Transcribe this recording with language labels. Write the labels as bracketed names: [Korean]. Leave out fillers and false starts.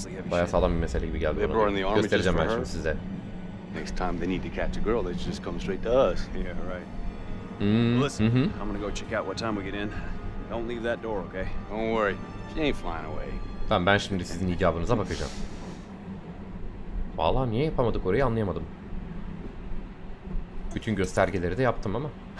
[Turkish] Bayağı sağlam bir mesele gibi geldi bana. Göstereceğim ben şimdi size. [English] Next time they need to catch a girl, they just come straight to us. Yeah, right. Listen, I'm gonna go check out what time we get in. Don't leave that door, okay? Don't worry, she ain't flying away. [Turkish] Tamam, ben şimdi sizin icabınıza bakacağım. Vallahi niye yapamadık orayı anlayamadım. Bütün göstergeleri de yaptım ama.